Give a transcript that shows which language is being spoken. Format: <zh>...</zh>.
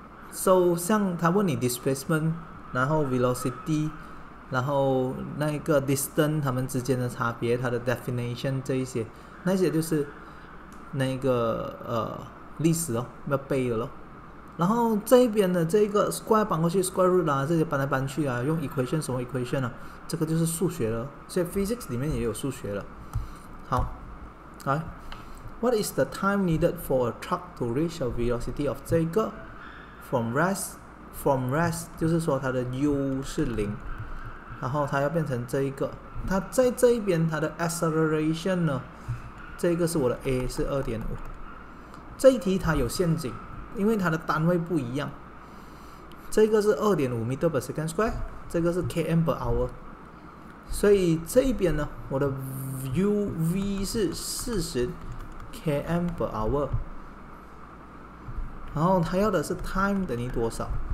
<zh>so 像他问你 displacement， 然后 velocity， 然后那个 distance 他们之间的差别，它的 definition， 这一些那些就是那个历史咯，要背的咯。然后这边的这个 square 搬过去 square root 啊，这些搬来搬去啊，用 equation 什么 equation 啊，这个就是数学了。所以 physics 里面也有数学了。好，来 ，</zh> <en>What is the time needed for a truck to reach a velocity of</en> <zh>这个</zh> <en>from rest</en> <zh>就是说它的 u 是零，然后它要变成这一个，它在这一边它的 acceleration 呢，这个是我的 a 是 2.5。这一题它有陷阱。因为它的单位不一样，这个是 2.5 meter per second square， 这个是 km per hour， 所以这一边呢，我的 uv 是40 km per hour， 然后它要的是 time 等于多少。</zh>